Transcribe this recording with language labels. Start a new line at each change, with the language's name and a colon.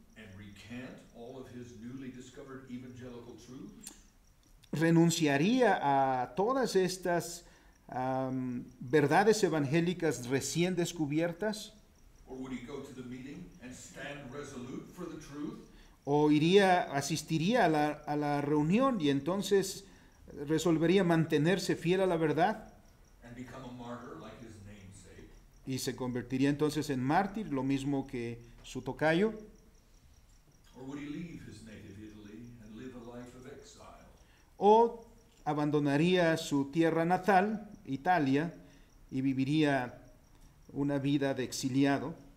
English: And recant all of his newly discovered evangelical truth?
Spanish: Renunciaría a todas estas verdades evangélicas recién descubiertas.
English: Or would he go to the meeting and stand resolute for the truth?
Spanish: O iría, asistiría a la reunión y entonces resolvería mantenerse fiel a la verdad.
English: And become a martyr like his namesake.
Spanish: Y se convertiría entonces en mártir, lo mismo que su tocayo.
English: Or would he leave his native Italy and live a life of exile?
Spanish: O abandonaría su tierra natal, Italia, y viviría una vida de exiliado.